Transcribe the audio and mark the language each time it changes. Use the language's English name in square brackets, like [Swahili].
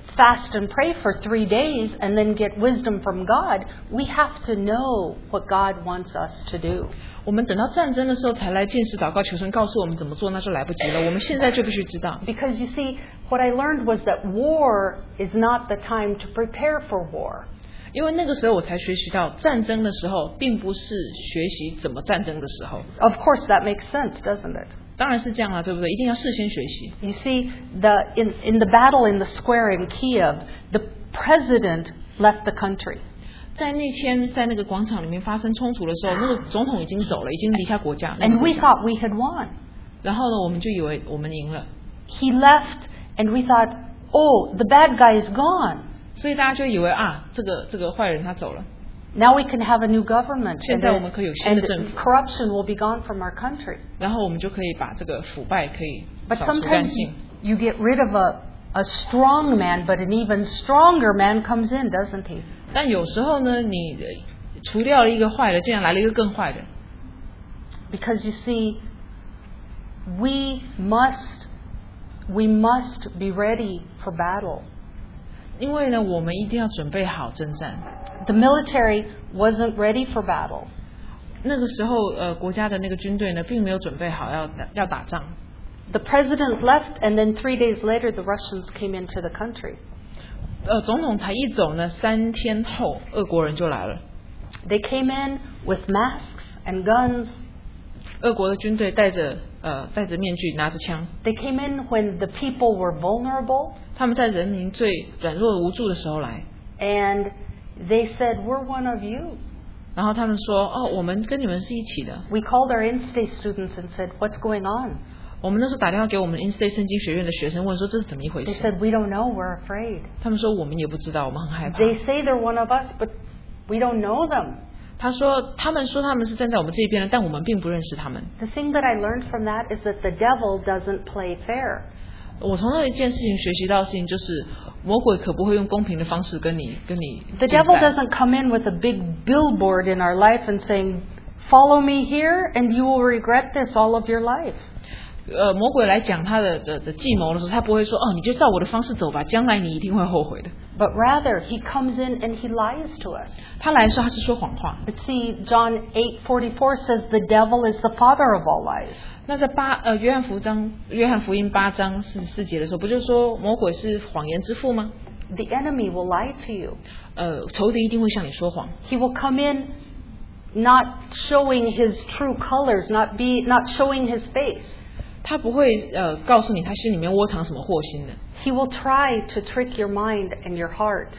[English] Fast and pray for 3 days and then get wisdom from God. We have to know what God wants us to do. [Chinese] 我们等到战争的时候才来进食祷告求神告诉我们怎么做那就来不及了我们现在就必须知道 [English] Because you see, what I learned was that war is not the time to prepare for war. [Chinese] 因为那个时候我才学习到战争的时候并不是学习怎么战争的时候 [English] Of course, that makes sense, doesn't it? [Chinese] 当然是这样啊，对不对？一定要事先学习。 [English] You see, in the battle in the square in Kiev, the president left the country. [Chinese] 在那天，在那个广场里面发生冲突的时候，那个总统已经走了，已经离开国家。 [English] And we thought we had won. [Chinese] 然后呢，我们就以为我们赢了。 [English] He left, and we thought, oh, the bad guy is gone. [Chinese] 所以大家就以为啊，这个坏人他走了。 [English] Now we can have a new government. [Chinese] 现在我们可以有新的政府。 [English] And corruption will be gone from our country. [Chinese] 然后我们就可以把这个腐败可以扫除干净。 [English] But sometimes you get rid of a strong man, but an even stronger man comes in, doesn't he? [Chinese] 但有时候呢，你除掉了一个坏的，竟然来了一个更坏的。 [English] Because you see, we must be ready for battle. [Chinese] 因为呢，我们一定要准备好征战。 [English] The military wasn't ready for battle. [Chinese] 那个时候，国家的那个军队呢，并没有准备好要打仗。 [English] The president left, and then 3 days later, the Russians came into the country. [Chinese] 总统才一走呢，三天后，俄国人就来了。 [English] They came in with masks and guns. [Chinese] 俄国的军队戴着面具，拿着枪。 [English] They came in when the people were vulnerable. [Chinese] 他们在人民最软弱无助的时候来。 [English] And they said, "We're one of you." [Chinese] 然后他们说，哦，我们跟你们是一起的。 [English] We called our in-state students and said, "What's going on?" [Chinese] 我们那时候打电话给我们 in-state 圣经学院的学生，问说这是怎么一回事。 [English] They said, "We don't know. We're afraid." [Chinese] 他们说我们也不知道，我们很害怕。 [English] They say they're one of us, but we don't know them. [Chinese] 他们说他们是站在我们这一边的，但我们并不认识他们。 [English] The thing that I learned from that is that the devil doesn't play fair. [Chinese] 我从那一件事情学习到的事情就是。魔鬼可不会用公平的方式跟你 [English] The devil doesn't come in with a big billboard in our life and saying, "Follow me here, and you will regret this all of your life." [Chinese] 魔鬼来讲他的计谋的时候，他不会说，哦，你就照我的方式走吧，将来你一定会后悔的。 [English] But rather, he comes in and he lies to us. [Chinese] 他来的时候他是说谎话。 [English] But see, John 8:44 says the devil is the father of all lies. [Chinese] 那在约翰福音八章四节的时候，不就是说魔鬼是谎言之父吗？ [English] The enemy will lie to you. [Chinese] 仇敌一定会向你说谎。 [English] He will come in not showing his true colors, not showing his face. [Chinese] 他不会告诉你他心里面窝藏什么祸心的。 [English] He will try to trick your mind and your heart.